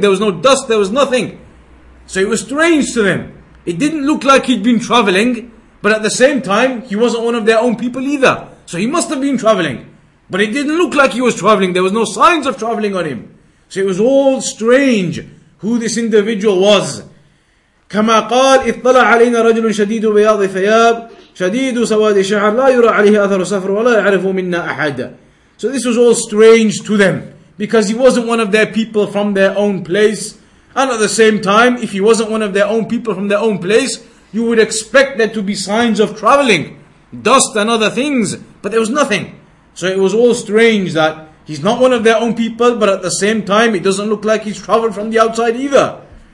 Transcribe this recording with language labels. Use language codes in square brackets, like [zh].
[en] There was no dust, there was nothing. So it was strange to them. It didn't look like he'd been traveling, but at the same time, he wasn't one of their own people either. So he must have been traveling. But it didn't look like he was traveling. There was no signs of traveling on him. So it was all strange who this individual was. [ar] كما قال اطلع علينا رجل شديد بياض ثياب شديد سواد شعر لا يرى عليه اثر سفر ولا يعرف منا احد. [en] So this was all strange to them, because he wasn't one of their people from their own place. And at the same time, if he wasn't one of their own people from their own place, you would expect there to be signs of traveling, dust and other things, but there was nothing. So it was all strange that he's not one of their own people, but at the same time it doesn't look like he's traveled from the outside either.